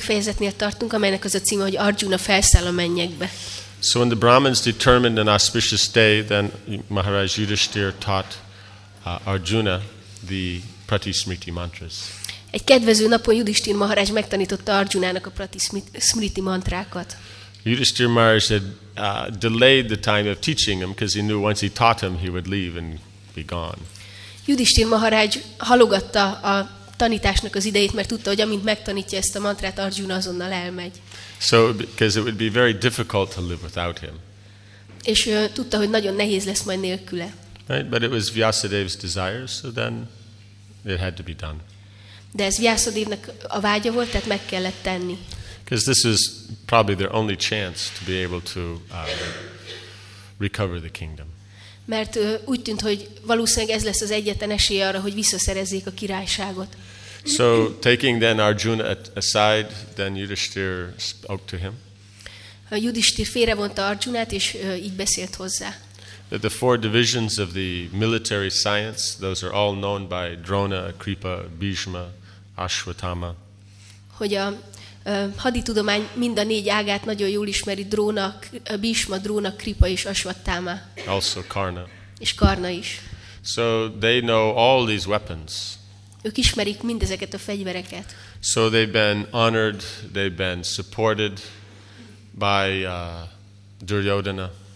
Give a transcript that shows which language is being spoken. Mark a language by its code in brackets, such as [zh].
[hu] Fejezetnél tartunk, amelynek az a címe, hogy Arjuna felszáll a mennyekbe. [en] So when the Brahmins determined an auspicious day, then Maharaj Yudhishthir taught Arjuna the Pratismriti mantras. [hu] Egy kedvező napon Yudhishthir Maharaj megtanította Arjunának a Pratismriti mantrákat. [en] Yudhishthir Maharaj had delayed the time of teaching him because he knew once he taught him he would leave and be gone. [hu] Yudhishthir Maharaj halogatta a tanításnak az idejét, mert tudta, hogy amint megtanítja ezt a mantrát, Arjuna azonnal elmegy. [en] So because it would be very difficult to live without him. [hu] És tudta, hogy nagyon nehéz lesz majd nélküle. [en] Right, but it was Vyasadeva's desire, so then it had to be done. [hu] De ez Vyasadevnek a vágya volt, tehát meg kellett tenni. [en] Because this is probably their only chance to be able to recover the kingdom. [hu] Mert úgy tűnt, hogy valószínűleg ez lesz az egyetlen esélye arra, hogy visszaszerezzék a királyságot. [en] So taking then Arjuna aside, then Yudhishthir spoke to him. [hu] Yudhishthir félrevonta Arjunát és így beszélt hozzá. [en] That the four divisions of the military science, those are all known by Drona, Kripa, Bhishma, Ashwatthama. [hu] Hogy a haditudomány mind a négy ágát nagyon jól ismeri, Drona, Bhishma, Drona, Kripa és Ashwatthama. [en] Also Karna. [hu] És Karna is. [en] So they know all these weapons. [hu] Ők ismerik mindezeket a fegyvereket. [en] So they've been honored, they've been supported by Duryodhana.